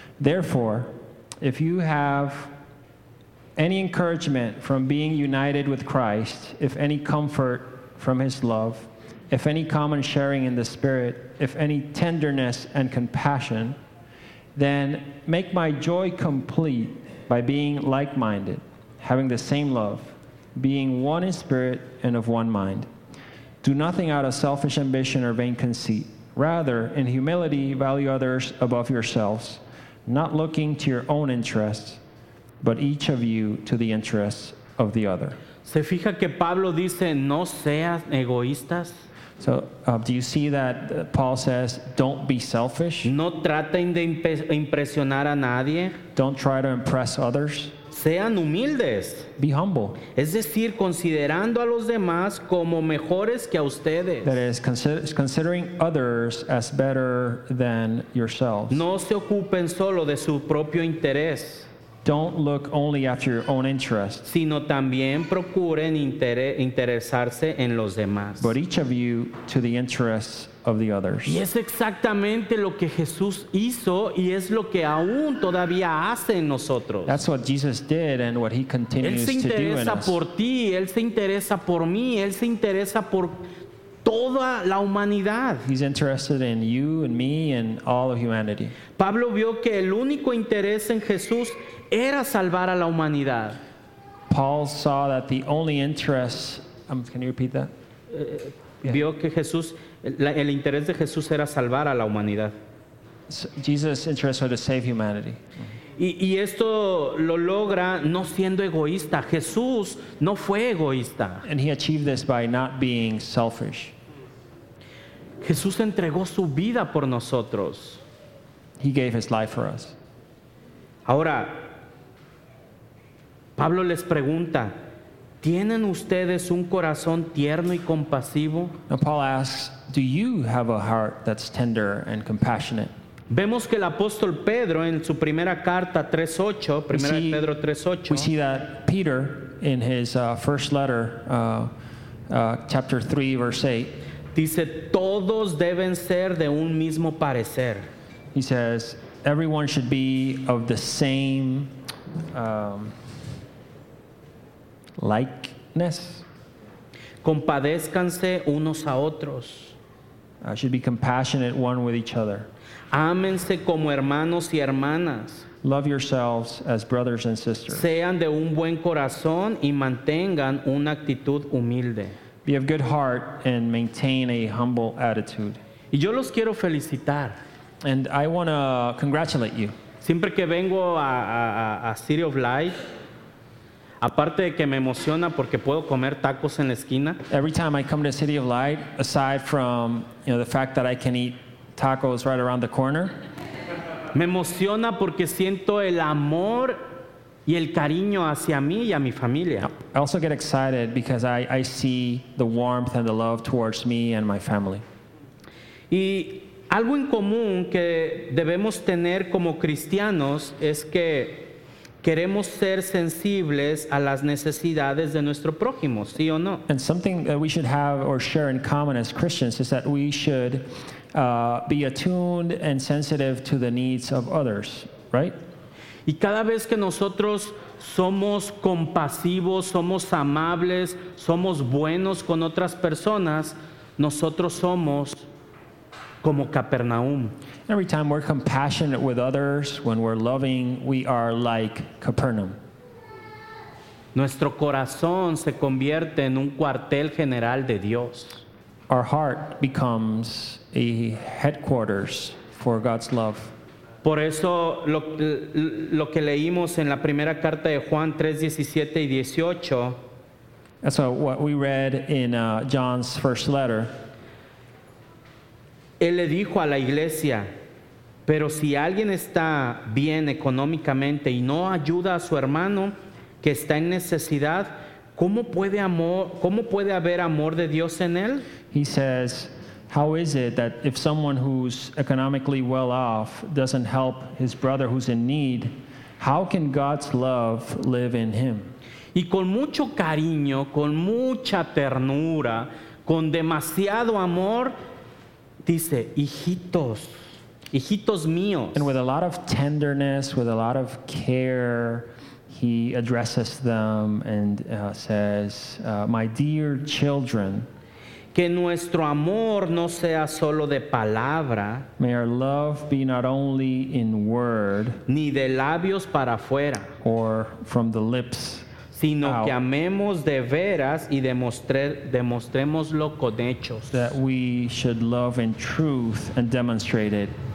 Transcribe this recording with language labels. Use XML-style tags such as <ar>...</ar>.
<en>Therefore, if you have any encouragement from being united with Christ, if any comfort from his love, if any common sharing in the Spirit, if any tenderness and compassion, then make my joy complete by being like-minded, having the same love, being one in spirit and of one mind. Do nothing out of selfish ambition or vain conceit. Rather, in humility, value others above yourselves, not looking to your own interests, but each of you to the interests of the other.</en> <es>¿Se fija que Pablo dice, no seas egoístas?</es> <en>So, do you see that Paul says, don't be selfish?</en> <es>No traten de impresionar a nadie.</es> <en>Don't try to impress others.</en> <es>Sean humildes.</es> <en>Be humble.</en> <es>Es decir, considerando a los demás como mejores que a ustedes.</es> <en>That is, considering others as better than yourselves.</en> <es>No se ocupen solo de su propio interés.</es> <en>Don't look only after your own interests.</en> <es>Sino también procuren interesarse en los demás.</es> <en>But each of you to the interests of the others.</en> <es>Y es exactamente lo que Jesús hizo y es lo que aún todavía hace en nosotros.</es> <en>That's what Jesus did and what he continues to do in us.</en> <es>Él se interesa por ti, él se interesa por mí, él se interesa por toda la humanidad.</es> <en>He's interested in you and me and all of humanity.</en> <es>Pablo vio que el único interés en Jesús era salvar a la humanidad.</es> <en>Paul saw that the only interest. Can you repeat that?</en> <es>Vio que Jesús, el interés de Jesús era salvar a la humanidad.</es> <en>Jesus' interest was to save humanity.</en> <es>Y esto lo logra no siendo egoísta. Jesús no fue egoísta.</es> <en>And he achieved this by not being selfish.</en> <es>Jesús entregó su vida por nosotros.</es> <en>He gave his life for us.</en> <es>Ahora, Pablo les pregunta, ¿Tienen ustedes un corazón tierno y compasivo?</es> <en>Now Paul asks, do you have a heart that's tender and compassionate?</en> <es>Vemos que el apóstol Pedro en su primera carta 3:8, primera de Pedro 3:8.</es> <en>We see that Peter in his first letter, chapter 3, verse 8.</en> <es>Dice, todos deben ser de un mismo parecer.</es> <en>He says, everyone should be of the same likeness.</en> <es>Compadézcanse unos a otros.</es> <en>Should be compassionate one with each other.</en> <es>Ámense como hermanos y hermanas.</es> <en>Love yourselves as brothers and sisters.</en> <es>Sean de un buen corazón y mantengan una actitud humilde.</es> <en>Be of good heart and maintain a humble attitude.</en> <es>Y yo los quiero felicitar.</es> <en>And I want to congratulate you.</en> <es>Siempre que vengo a City of Light, aparte de que me emociona porque puedo comer tacos en la esquina.</es> <en>Every time I come to City of Light, aside from, you know, the fact that I can eat tacos right around the corner,</en> <es>me emociona porque siento el amor y el cariño hacia mí y a mi familia.</es> <en>I also get excited because I see the warmth and the love towards me and my family.</en> <es>Y algo en común que debemos tener como cristianos es que queremos ser sensibles a las necesidades de nuestro prójimo, ¿sí o no?</es> <en>And something that we should have or share in common as Christians is that we should be attuned and sensitive to the needs of others, right?</en> <es>Y cada vez que nosotros somos compasivos, somos amables, somos buenos con otras personas, nosotros somos como Capernaum.</es> <en>Every time we're compassionate with others, when we're loving, we are like Capernaum.</en> <es>Nuestro corazón se convierte en un cuartel general de Dios.</es> <en>Our heart becomes a headquarters for God's love.</en> <es>Por eso lo que leímos en la primera carta de Juan 3:17 y 18.</es> <en>So what we read in John's first letter.</en> <es>Él le dijo a la iglesia, pero si alguien está bien económicamente y no ayuda a su hermano que está en necesidad, ¿cómo puede haber amor de Dios en él?</es> <en>He says, how is it that if someone who's economically well off doesn't help his brother who's in need, how can God's love live in him?</en> <es>Y con mucho cariño, con mucha ternura, con demasiado amor, dice, hijitos, hijitos míos.</es> <en>And with a lot of tenderness, with a lot of care, he addresses them and says, my dear children,</en> <es>que nuestro amor no sea solo de palabra,</es> <en>may our love be not only in word,</en> <es>ni de labios para afuera,</es> <en>or from the lips,</en> <es>sino</es> <en>out,</en> <es>que amemos de veras y demostrémoslo con hechos.</es> <en>That we should love in truth and demonstrate it.</en>